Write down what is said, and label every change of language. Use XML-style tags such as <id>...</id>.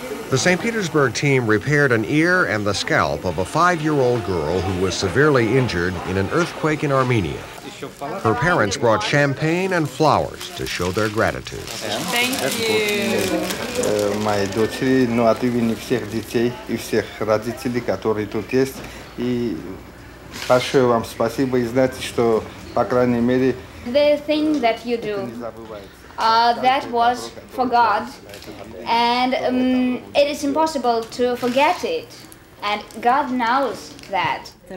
<en>The St. Petersburg team repaired an ear and the scalp of a 5-year-old girl who was severely injured in an earthquake in Armenia. Her parents brought champagne and flowers to show their gratitude. Thank you. My daughter,</en> <ru>но от имени всех детей и всех родителей, которые тут есть, и большое вам спасибо и знаете, что по крайней мере.</ru> <en>The thing that you do. That was for God, and it is impossible to forget it, and God knows that.</en>